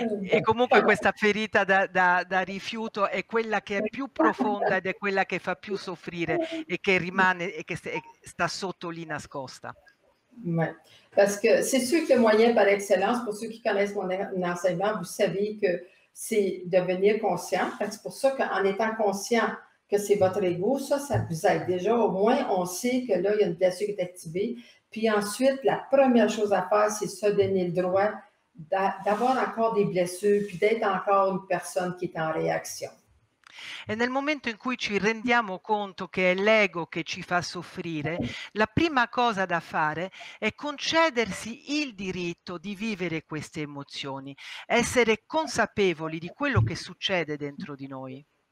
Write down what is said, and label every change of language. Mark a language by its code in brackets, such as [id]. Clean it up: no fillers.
[it] E comunque questa ferita da rifiuto è quella che è più profonda ed è quella che fa più soffrire e che rimane e che sta sotto lì nascosta. [fr] Oui, parce que c'est sûr que le moyen par excellence, pour ceux qui connaissent mon enseignement, vous savez que c'est devenir conscient. C'est pour ça qu'en étant conscient que c'est votre ego, ça vous aide. Déjà, au moins, on sait que là, il y a une blessure qui est activée. Puis ensuite, la première chose à faire, c'est se donner le droit d'avoir encore des blessures, puis d'être encore une personne qui est en réaction. [it] E nel momento in cui ci rendiamo conto che è l'ego che ci fa soffrire, la prima cosa da fare è concedersi il diritto di vivere queste emozioni, essere consapevoli di quello che succede dentro di noi.